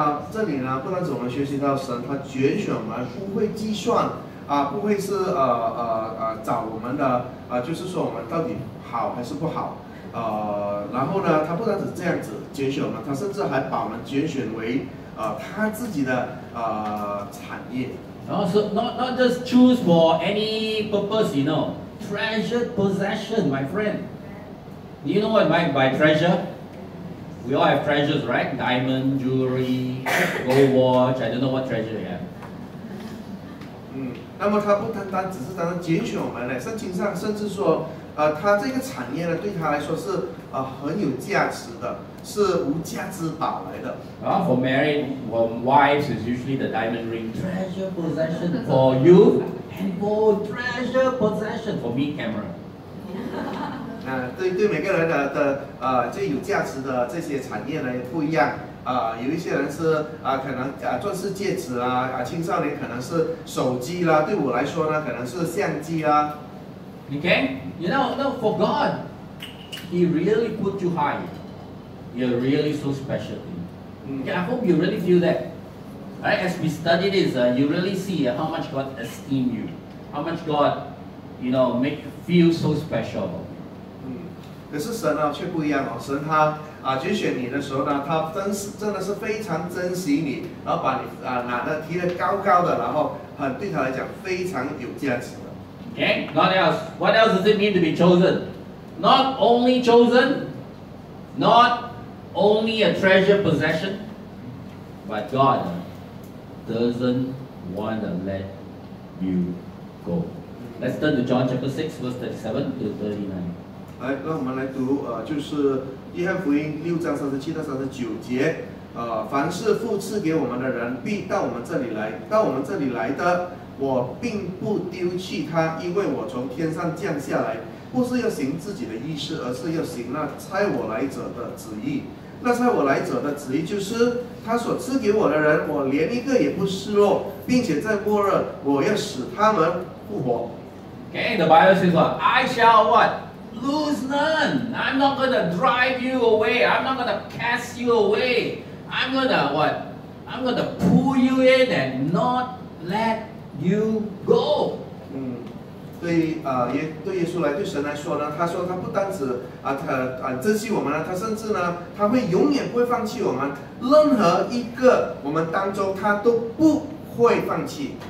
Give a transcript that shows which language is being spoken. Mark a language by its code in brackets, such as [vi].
[zh] 这里呢，不单只我们学习到神，他拣选我们不会计算，不会是找我们的，就是说我们到底好还是不好，然后呢，他不单只这样子拣选我们，他甚至还把我们拣选为他自己的产业。 [en] Also, not just choose for any purpose, you know. Treasured possession, my friend. Do you know what I mean by treasure? We all have treasures, right? Diamond, jewelry, gold watch. I don't know what treasure you have. [zh] 那么他不单只是单单拣选我们嘞，圣经上甚至说，他这个产业呢，对他来说是很有价值的，是无价之宝来的。 [en] For married, for wives is usually the diamond ring. Treasure possession for you, and for treasure possession for me, camera. [zh] 对每个人的最有价值的这些产业呢也不一样。有一些人是可能钻石戒指啦，青少年可能是手机啦，对我来说呢，可能是相机啦。 [en] Okay, you know, no, for God, He really put you high. You're really so special. Okay, I hope you really feel that. Right, as we study this, you really see how much God esteem you, how much God, you know, make you feel so special. [zh] 可是神呢却不一样哦，神他拣选你的时候呢，他真的是非常珍惜你，然后把你拿的提得高高的，然后很对他来讲非常有价值。 [en] Okay, not else. What else does it mean to be chosen? Not only chosen, not only a treasure possession, but God doesn't want to let you go. Let's turn to John chapter 6, verse 37 to 39. [zh] 来，让我们来读，就是约翰福音6章37到39节。凡是父赐给我们的人，必到我们这里来。到我们这里来的，我并不丢弃他，因为我从天上降下来，不是要行自己的意思，而是要行那差我来者的旨意。那差我来者的旨意就是，他所赐给我的人，我连一个也不失落，并且在末日，我要使他们复活。 [en] Okay, the Bible says what? I shall what? Lose none. I'm not going to drive you away. I'm not going to cast you away. I'm going to what? I'm going to pull you in and not let you go. [zh] 对耶稣来说呢，他说他不单止珍惜我们了，他甚至呢，他会永远不会放弃我们，任何一个我们当中他都不会放弃。